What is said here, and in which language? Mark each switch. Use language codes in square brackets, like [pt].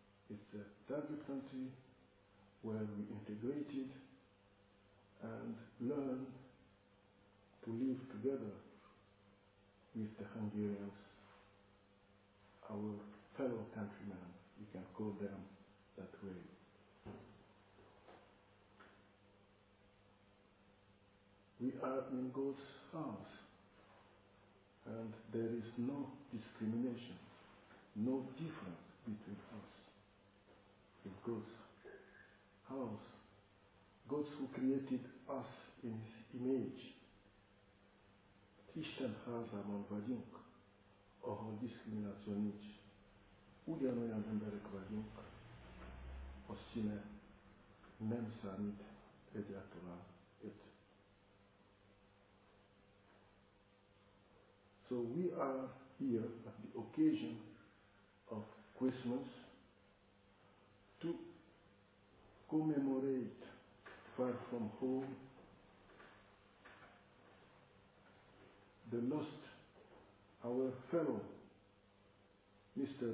[en] It's a target country where we integrated and learn to live together with the Hungarians, our fellow countrymen, we can call them that way. We are in God's house, and there is no discrimination, no difference between us. In God's house, God who created us in His image, [hu] Isten házában vagyunk, ahol diszkrimináció nincs. Ugyanolyan emberek vagyunk, a színe nem számít egyáltalán itt. [en] So we are here at the occasion of Christmas to commemorate Far From Home, the lost, our fellow, Mr.